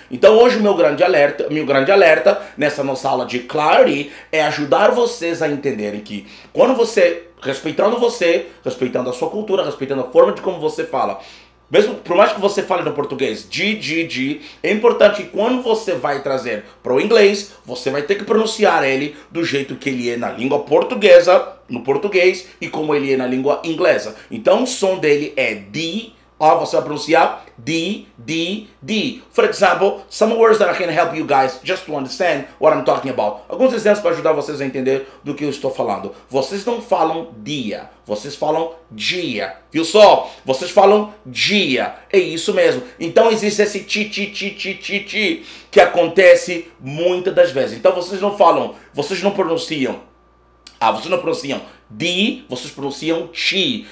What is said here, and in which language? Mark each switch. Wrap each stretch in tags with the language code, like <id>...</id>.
<pt>Então hoje meu grande alerta nessa nossa aula de clarity é ajudar vocês a entenderem que quando você, respeitando você, respeitando a sua cultura, respeitando a forma de como você fala, mesmo por mais que você fale no português G, é importante que quando você vai trazer para o inglês, você vai ter que pronunciar ele do jeito que ele é na língua portuguesa, no português, e como ele é na língua inglesa. Então o som dele é D, ó, você vai pronunciar D, D, D.</pt> <en>For example, some words that I can help you guys just to understand what I'm talking about.</en> <pt>Alguns exemplos para ajudar vocês a entender do que eu estou falando. Vocês não falam dia, vocês falam dia. Viu só? Vocês falam dia. É isso mesmo. Então existe esse ti, ti, ti, ti, ti, ti, que acontece muitas das vezes. Então vocês não falam, vocês não pronunciam. Ah, vocês não pronunciam D, vocês pronunciam TI.</pt>